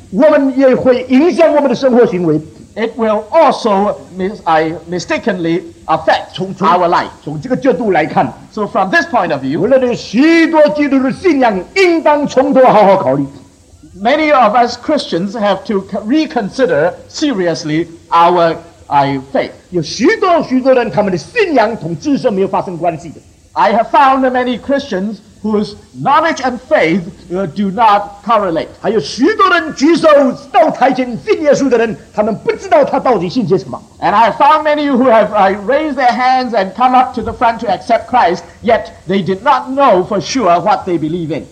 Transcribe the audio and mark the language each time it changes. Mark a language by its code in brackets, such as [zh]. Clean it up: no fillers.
[zh] 我们也会影响我们的生活行为。 [en] It will also mistakenly affect our life. [zh] 从这个角度来看， [en] so from this point of view, [zh] 无论许多基督徒的信仰应当从头好好考虑。 [en] Many of us Christians have to reconsider seriously our faith. [zh] 有许多许多人，他们的信仰同知识没有发生关系的。 [en] I have found many Christians whose knowledge and faith do not correlate. [zh] 还有许多人举手到台前信耶稣的人，他们不知道他到底信些什么。 [en] And I found many who have raised their hands and come up to the front to accept Christ, yet they did not know for sure what they believe in.